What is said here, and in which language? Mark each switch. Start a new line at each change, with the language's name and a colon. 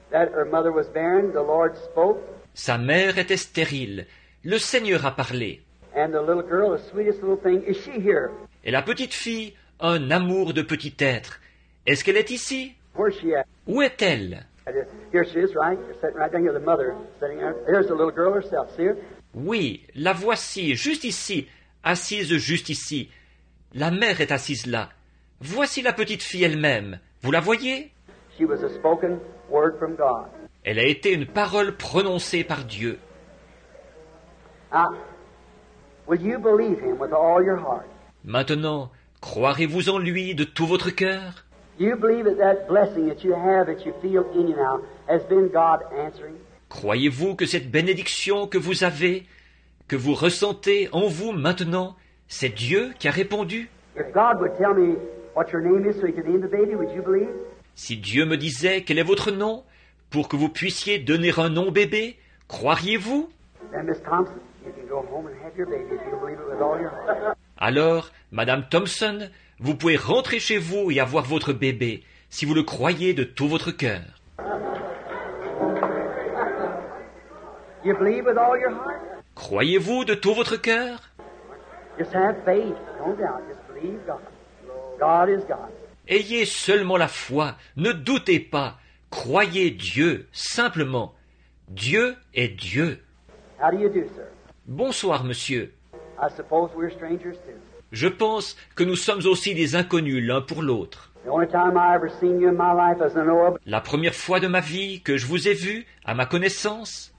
English: That her mother was barren, the Lord spoke.
French: Sa mère était stérile. Le Seigneur a parlé.
English: And the little girl, the sweetest little thing, is she here?
French: Et la petite fille, un amour de petit être. Est-ce qu'elle est ici?
English: Where is she at?
French: Où est-elle?
English: Here she is, right? You're sitting right down here, the mother sitting there. There's the little girl herself, see her?
French: Oui, la voici, juste ici, assise juste ici. La mère est assise là. Voici la petite fille elle-même. Vous la voyez?
English: She was a spoken word from God.
French: Elle a été une parole prononcée par Dieu.
English: Now, will you believe him with all your heart?
French: Maintenant, croirez-vous en lui de tout votre cœur?
English: You believe that that blessing that you have, that you feel in you now, has been God answering?
French: Croyez-vous que cette bénédiction que vous avez, que vous ressentez en vous maintenant, c'est Dieu qui a répondu?
English: If God would tell me what your name is so he could name the baby, would you believe?
French: Si Dieu me disait quel est votre nom pour que vous puissiez donner un nom au bébé, croiriez-vous?
English: Then Miss Thompson, you can go home and have your baby if you believe it with all your heart.
French: Alors, Madame Thompson, vous pouvez rentrer chez vous et avoir votre bébé si vous le croyez de tout votre cœur.
English: You believe with all your heart?
French: Croyez-vous de tout votre cœur?
English: Just have faith, no doubt. Just believe God. God is God.
French: Ayez seulement la foi, ne doutez pas, croyez Dieu, simplement. Dieu est Dieu.
English: How do you do, sir?
French: Bonsoir, monsieur.
English: I suppose we're strangers too.
French: Je pense que nous sommes aussi des inconnus l'un pour l'autre.
English: The only time I ever seen you in my life as I know of.
French: La première fois de ma vie que je vous ai vu, à ma connaissance,